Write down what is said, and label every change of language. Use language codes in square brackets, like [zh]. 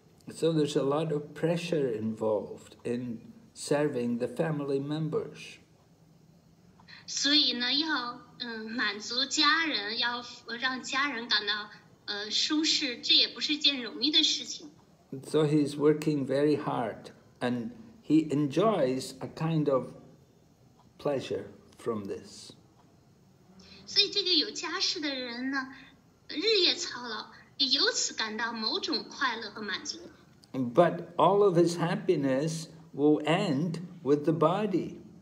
[en] So there's a lot of pressure involved in serving the family members. [zh] 所以呢，要满足家人，要让家人感到舒适，这也不是件容易的事情。 [en] So he's working very hard, and he enjoys a kind of pleasure from this. [zh] 所以这个有家室的人呢，日夜操劳，也由此感到某种快乐和满足。 [en] But all of his happiness will end with the body.